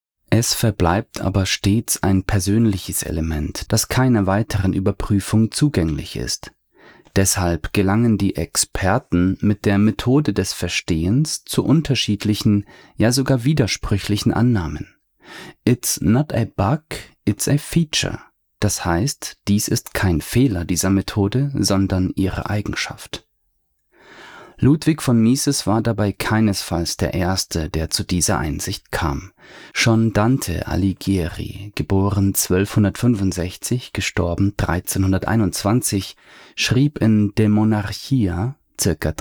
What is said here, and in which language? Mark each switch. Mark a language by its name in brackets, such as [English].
[German] Es verbleibt aber stets ein persönliches Element, das keiner weiteren Überprüfung zugänglich ist. Deshalb gelangen die Experten mit der Methode des Verstehens zu unterschiedlichen, ja sogar widersprüchlichen Annahmen. [English] It's not a bug, it's a feature. [German] Das heißt, dies ist kein Fehler dieser Methode, sondern ihre Eigenschaft. Ludwig von Mises war dabei keinesfalls der Erste, der zu dieser Einsicht kam. Schon Dante Alighieri, geboren 1265, gestorben 1321, schrieb in De Monarchia, ca.